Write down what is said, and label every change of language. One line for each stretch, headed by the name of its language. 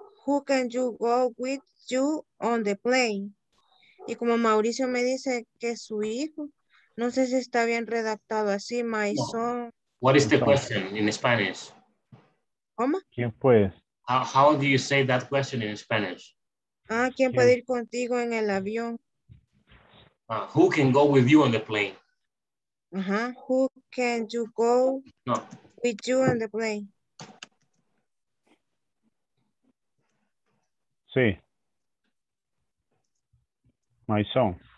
English: Who can you go with you on the plane?
Spanish: Y como Mauricio me dice que es su hijo, no sé si está bien redactado así,
English: my no. son. What is the question in Spanish?
Spanish: ¿Cómo? ¿Quién fue?
English: How do you say that question in Spanish?
Spanish: Ah, ¿quién puede ir contigo en el avión?
English: Who can go with you on the plane? Uh-huh. Who can you go
Spanish: no.
English: with you on the plane?
Spanish: Sí.
English: My son.